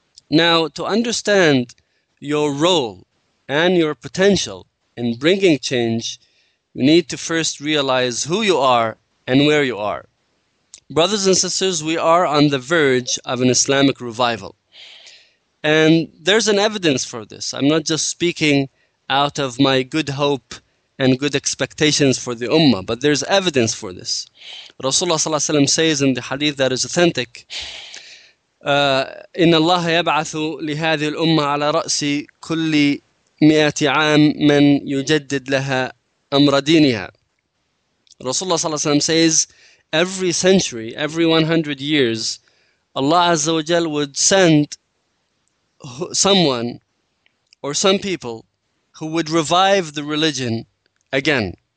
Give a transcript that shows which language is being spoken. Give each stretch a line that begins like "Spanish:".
English: Now, to understand your role and your potential in bringing change, you need to first realize who you are and where you are. Brothers and sisters, we are on the verge of an Islamic revival. And there's an evidence for this. I'm not just speaking out of my good hope and good expectations for the ummah, but there's evidence for this. Rasulullah sallallahu alaihi wasallam says in the hadith that is authentic,
Arabic: إِنَّ اللَّهَ يَبْعَثُ لِهَذِهِ الْأُمَّةِ عَلَى رَأْسِ كُلِّ مِئَةِ عَامٍ مَنْ يُجَدِّدْ لَهَا أَمْرَ دِينِهَا.
English: Rasulullah sallallahu alaihi wasallam says, every century, every 100 years, Allah azza wa jal would send someone or some people who would revive the religion again.